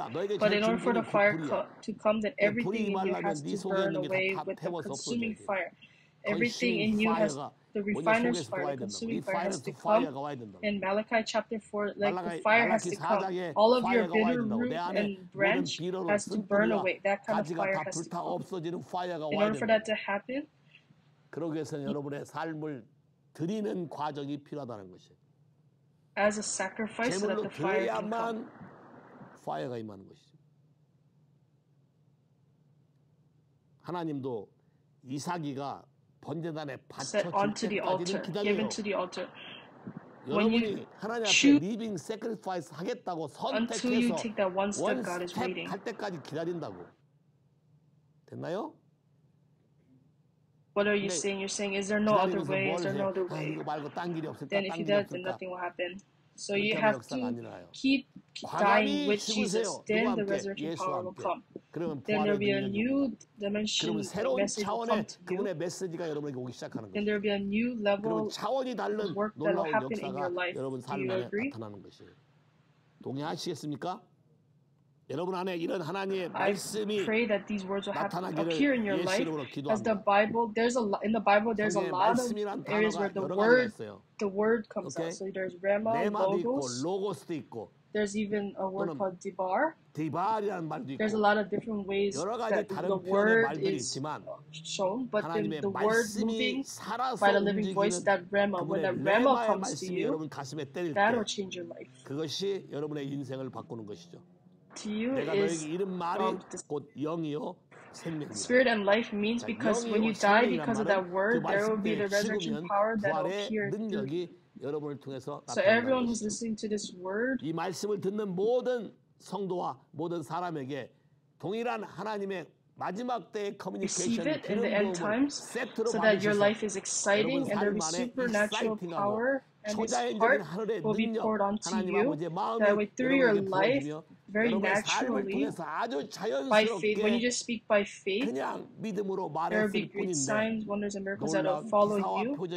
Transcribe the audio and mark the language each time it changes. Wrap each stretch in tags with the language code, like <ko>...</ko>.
<en>But in order for the fire to come, then everything in you has to burn away with the consuming fire. Everything in you has the refiner's fire, the consuming fire has to come. In Malachi chapter 4, like the fire has to come. All of your bitter root and branch has to burn away. That kind of fire has to come. In order for that to happen,</en> <ko>그러기 위해서는 여러분의 삶을 드리는 과정이 필요하다는 것이에요.</ko> <en>As a sacrifice so that the fire can come.</en> <ko>파이어가 임하는 것이죠. 하나님도 이삭이가 번제단에 바쳐질 때까지 기다려요. 여러분이 하나님 앞에 living sacrifice 하겠다고 선택해서</ko> <en>one step</en> <ko>갈 때까지 기다린다고. 됐나요?</ko> <en>What are you saying? You're saying, is there no other way? Is there no other way?</en> <ko>이거 말고 딴 길이 없을까?</ko> <en>Then if you don't, then nothing will happen. So you have to keep dying with Jesus, then the resurrection power will come. Then there will be a new dimension message will come to you. Then there will be a new level of work that will happen in your life. Do you agree?</en> <ko>동의하시겠습니까? 여러분 안에 이런 하나님의</ko> <en>I</en> <ko>말씀이</ko> <en>pray that these words will happen,</en> <ko>나타나기를</ko> <en>appear in your life. As the Bible, there's a in the Bible, there's a lot of areas where the word comes okay? out. So there's Rhema, Logos. There's even a word called Dibar.</en> <ko>Dibar이라는 말도 있고.</ko> <en>There's a lot of different ways that the word is shown. But the word moving by the living voice, that Rhema, when that Rhema comes to you, that will change your life.</en> <ko>그것이 여러분의 인생을 바꾸는 것이죠.</ko> <en>To you is the spirit and life means because when you die because of that word, there will be the resurrection power that will appear through you. So everyone who's listening to this word,</en> <ko>이 말씀을 듣는 모든 성도와 모든 사람에게 동일한 하나님의 마지막 때의 커뮤니케이션을 드리는 세트로</ko> <en>so that your life is exciting and there will be supernatural power and His heart will be poured onto you that way through your life. Very naturally, by faith, when you just speak by faith, there will be great signs, wonders, and miracles that will follow you.</en>